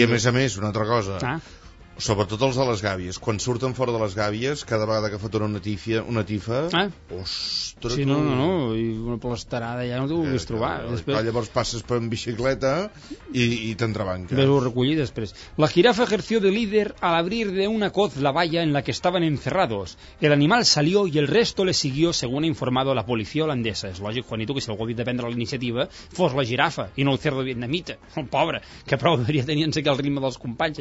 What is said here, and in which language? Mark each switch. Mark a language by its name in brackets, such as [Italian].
[Catalan] I a més, una altra cosa... Sobretot els de les gàbies. Quan surten fora de les gàbies, cada vegada que fa tornar una tifa... Ostres! Sí, no. I una plastarada ja no t'ho vulguis trobar. Llavors passes per una bicicleta i t'entrebanques. Ves-ho recollir després. [Spanish] La jirafa ejerció de líder al abrir de una coz la valla en la que estaven encerrados. El animal salió y el resto le siguió, según ha informado la policía holandesa. [Catalan] És lògic, Juanito, que si algú havia de prendre la iniciativa fos la jirafa i no el cerdo vietnamita. El pobre, que prou deveria tenir-se que el ritme dels companys.